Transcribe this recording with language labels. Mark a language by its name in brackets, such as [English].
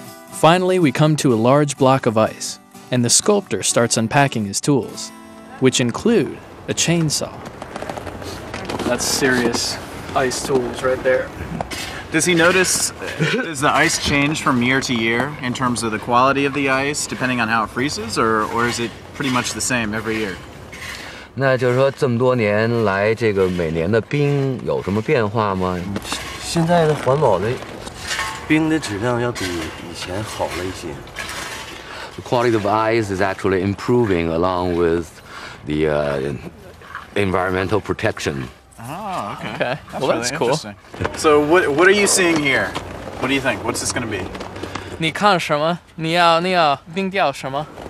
[English] Finally, we come to a large block of ice, and the sculptor starts unpacking his tools, which include a chainsaw. That's serious ice tools right there. Does he notice, does the ice change from year to year in terms of the quality of the ice, depending on how it freezes, or is it pretty much the same every year? [Chinese] 那就是说这么多年来这个每年的冰有什么变化吗？现在的环保的冰的质量要比以前好了一些。 [English] The quality of ice is actually improving along with the environmental protection. Oh, okay. Well, that's really cool. So what are you seeing here? What do you think? What's this going to be? [Chinese] 你看什么？你要冰雕什么？